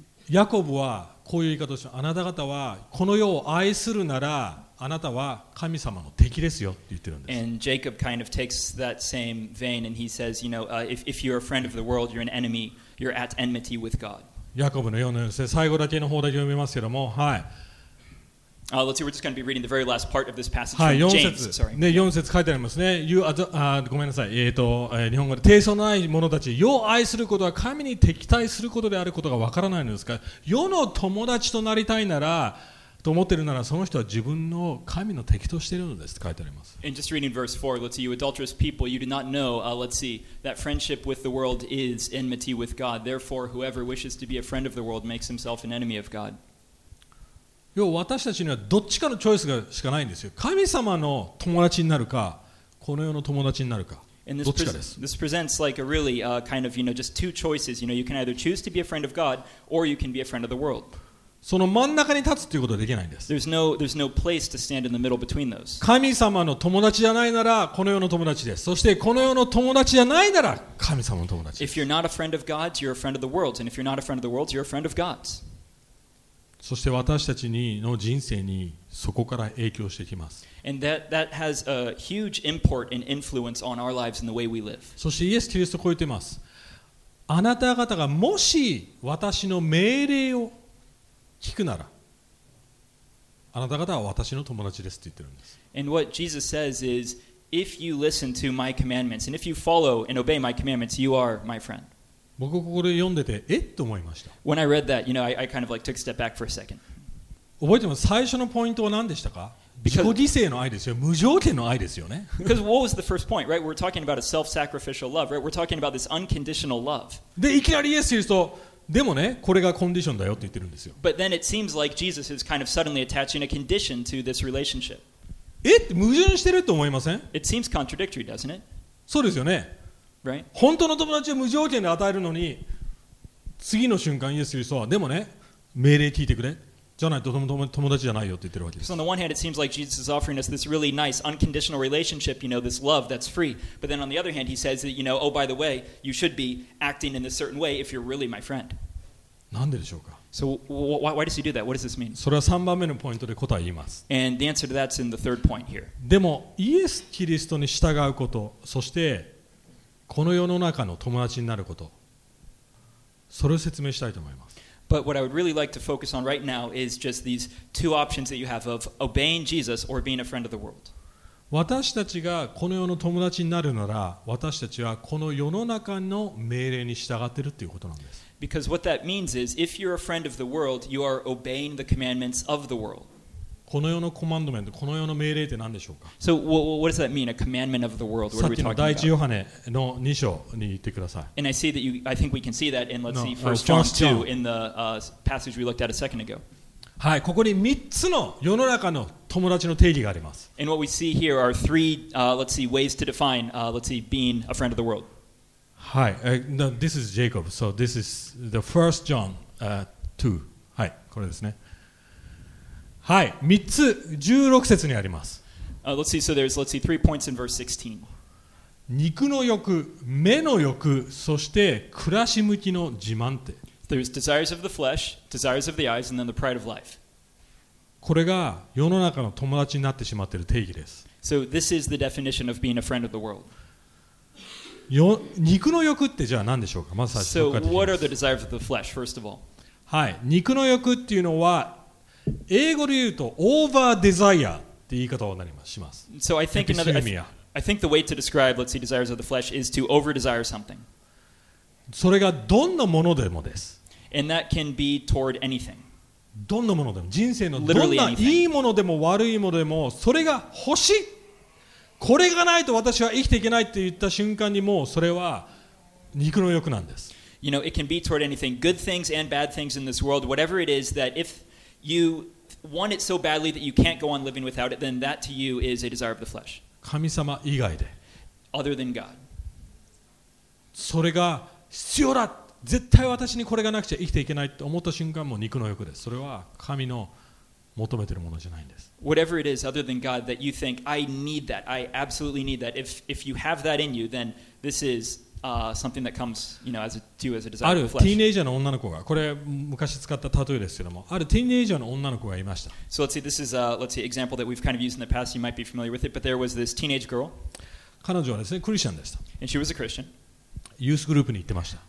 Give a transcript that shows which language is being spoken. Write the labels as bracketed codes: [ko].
[ja] ヤコブはこういう言い方をします。あなた方はこの世を愛するなら、あなたは神様の敵ですよって言ってるんです。 [en] And Jacob kind of takes that same vein and he says, you know, if you're a friend of the world, you're an enemy, you're at enmity with God. [ja] ヤコブの4章の最後だけの方だけ読みますけども、はい。 [en] Let's see, we're just going to be reading the very last part of this passage from James. [ja] はい、4節。ね、4節書いてありますね。 [en] You are, [ja] ごめんなさい。日本語で、貞操のない者たち、世を愛することは神に敵対することであることがわからないのですか。世の友達となりたいなら、と思ってるならその人は自分の神の敵としているのですと書いてあります。 [en] And just reading verse 4, let's see, you adulterous people, you do not know, let's see, that friendship with the world is enmity with God. Therefore, whoever wishes to be a friend of the world makes himself an enemy of God. [ja] 要は私たちにはどっちかのチョイスがしかないんですよ。神様の友達になるか、この世の友達になるか、どっちかです。 [en] This presents like a really kind of, you know, just two choices. You know, you can either choose to be a friend of God or you can be a friend of the world. [ja] その真ん中に立つということはできないんです。 [en] There's no place to stand in the middle between those. [ja] 神様の友達じゃないなら、この世の友達です。そしてこの世の友達じゃないなら、神様の友達です。 [en] If you're not a friend of God, you're a friend of the world. And if you're not a friend of the world, you're a friend of God's. [ja] そして私たちの人生にそこから影響してきます。 [en] And that has a huge import and influence on our lives and the way we live. [ja] そしてイエス・キリストはこう言っています。あなた方がもし私の命令を聞くなら、あなた方は私の友達ですと言ってるんです。 [en] And what Jesus says is, if you listen to my commandments and if you follow and obey my commandments, you are my friend. [ja] 僕ここで読んでて、えっと思いました。 [en] When I read that, you know, I kind of like took a step back for a second. [ja] 覚えてます。最初のポイントは何でしたか？Because, 自己犠牲の愛ですよ。無条件の愛ですよね。 [en] Because what was the first point, right? We're talking about a self-sacrificial love, right? We're talking about this unconditional love. [ja] で、いきなりイエス言うと、でもね、これがコンディションだよって言ってるんですよ。 [en] But then it seems like Jesus is kind of suddenly attaching a condition to this relationship. [ja] え？矛盾してると思いません？ [en] It seems contradictory, doesn't it? [ja] そうですよね。 [en] Right? [ja] 本当の友達を無条件で与えるのに次の瞬間イエス・キリストはでもね命令聞いてくれじゃないと友達じゃないよって言ってるわけです。 [en] So on the one hand it seems like Jesus is offering us this really nice unconditional relationship, you know, this love that's free. But then on the other hand he says that, you know, oh by the way, you should be acting in a certain way if you're really my friend. [ja] なんででしょうか。 [en] So why does he do that? What does this mean? [ja] それは3番目のポイントで答え言います。 [en] And the answer to that's in the third point here. [ja] でもイエス・キリストに従うことそしてこの世の中の友達になること、それを説明したいと思います。 [en] But what I would really like to focus on right now is just these two options that you have of obeying Jesus or being a friend of the world. [ja] 私たちがこの世の友達になるなら、私たちはこの世の中の命令に従っているということなんです。 [en] Because what that means is, if you're a friend of the world, you are obeying the commandments of the world. [ja] この世のコマンドメント、この世の命令って何でしょうか。 [en] So what does that mean? A commandment of the world? What are we talking about? [ja] さっきの第一ヨハネの二章に行ってください。 [en] And I see that you, I think we can see that in let's see, First John 2 in the passage we looked at a second ago. [ja] はい、ここに三つの世の中の友達の定義があります。 [en] And what we see here are three, let's see, ways to define, let's see, being a friend of the world. はい、this is Jacob. So this is the First John 2. [ja] はい、これですね。はい、3つ16節にあります。肉の欲、目の欲、そして暮らし向きの自慢って。 [en] There's desires of the flesh, desires of the eyes, and then the pride of life. [ja] これが世の中の友達になってしまっている定義です。 [en] So this is the definition of being a friend of the world. [ja] 肉の欲ってじゃあ何でしょうか。まず最初 [en] に。So what are the desires of the flesh, first of all? [ja] はい、肉の欲っていうのは英語で言うと over desire って言い方になります。します。 [en] So I think another I think the way to describe let's see desires of the flesh is to over desire something. [ja] それがどんなものでもです。 [en] And that can be toward anything. [ja] どんなものでも人生のどんないいものでも悪いものでもそれが欲しい。これがないと私は生きていけないって言った瞬間にもうそれは肉の欲なんです。 [en] You know, it can be toward anything, good things and bad things in this world, whatever it is that ifYou want it so badly that you can't go on living without it, then that to you is a desire of the flesh. [ja] 神様以外で。 [en] Other than God. [ja] それが必要だ。絶対私にこれがなくちゃ生きていけないと思った瞬間も肉の欲です。それは神の求めているものじゃないんです。 [en] Whatever it is other than God that you think, I need that, I absolutely need that. If you have that in you, then this is... something that comes, you know, to you as a desire. [ja] あるティーンエイジャーの女の子が、これ昔使った例えですけども、あるティーンエイジャーの女の子がいました。 [en] So let's see, this is a let's see example that we've kind of used in the past. You might be familiar with it, but there was this teenage girl. [ja] 彼女はですね、クリスチャンでした。 [en] And she was a Christian. [ja] ユースグループに行ってました。